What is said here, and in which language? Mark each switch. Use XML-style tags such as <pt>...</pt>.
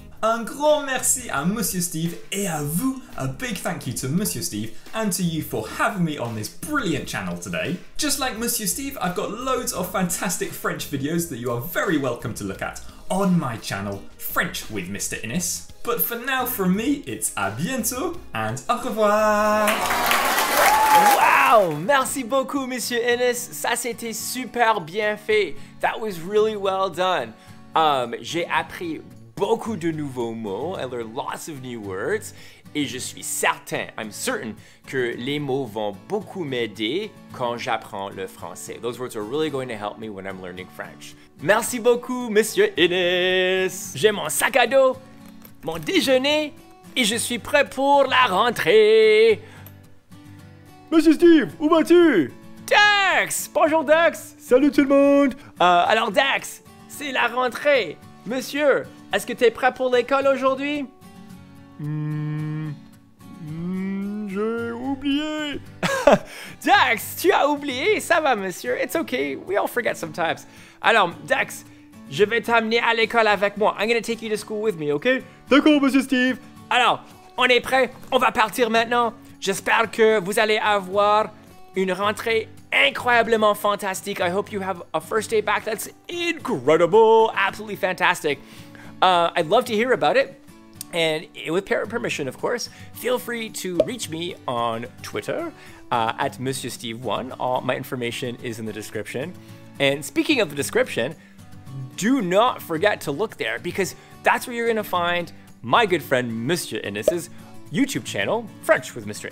<fr>Un grand merci à Monsieur Steve et à vous.</fr> <en>A big thank you to Monsieur Steve and to you for having me on this brilliant channel today. Just like Monsieur Steve, I've got loads of fantastic French videos that you are very welcome to look at on my channel, French with Mr. Innes. But for now, from me, it's à bientôt and au revoir.</en> <fr>Wow! Merci beaucoup, Monsieur Innes. Ça, c'était super bien fait.</fr> <en>That was really well done.</en> <fr>J'ai appris beaucoup de nouveaux mots.</fr> <en>I learned lots of new words.</en> <fr>Et je suis certain,</fr> <en>I'm certain,</en> <fr>que les mots vont beaucoup m'aider quand j'apprends le français.</fr> <en>Those words are really going to help me when I'm learning French.</en> <fr>Merci beaucoup, Monsieur Innes. J'ai mon sac à dos, mon déjeuner, et je suis prêt pour la rentrée. Monsieur Steve, où vas-tu? Dex! Bonjour, Dex! Salut tout le monde! Alors, Dex, c'est la rentrée! Monsieur, est-ce que t'es prêt pour l'école aujourd'hui? J'ai oublié! Dex, tu as oublié? Ça va, monsieur.</fr> <en>It's okay. We all forget sometimes.</en> <fr>Alors, Dex, je vais t'amener à l'école avec moi.</fr> <en>I'm gonna take you to school with me, okay?</en> <fr>D'accord, monsieur Steve! Alors, on est prêt? On va partir maintenant? J'espère que vous allez avoir une rentrée incroyablement fantastique.</fr> <en>I hope you have a first day back that's incredible, absolutely fantastic. I'd love to hear about it. And with parent permission, of course, feel free to reach me on Twitter at MonsieurSteve1. All my information is in the description. And speaking of the description, do not forget to look there because that's where you're going to find my good friend, Monsieur Innes's YouTube channel, French with Mr.</en>